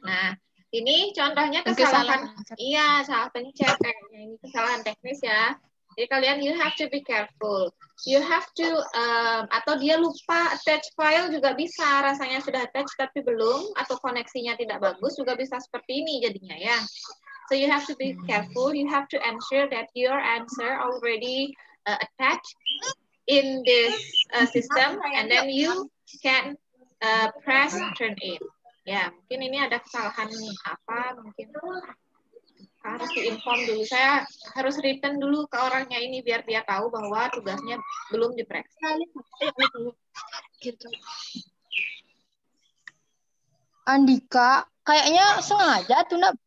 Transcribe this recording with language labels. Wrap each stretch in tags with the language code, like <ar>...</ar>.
<id>Nah, ini contohnya kesalahan. Iya, salah pencet kayaknya, ini kesalahan teknis ya. Jadi kalian</id> <en>you have to be careful. You have to</en> <id>atau dia lupa attach file juga bisa. Rasanya sudah attach tapi belum atau koneksinya tidak bagus juga bisa seperti ini jadinya ya.</id> <en>So you have to be careful. You have to ensure that your answer already attached in this system and then you can press turn in.</en> <id>Ya, mungkin ini ada kesalahan apa mungkin. Harus diinform dulu, saya harus return dulu ke orangnya ini biar dia tahu bahwa tugasnya belum dipreks. Andika, kayaknya sengaja tuh.</id>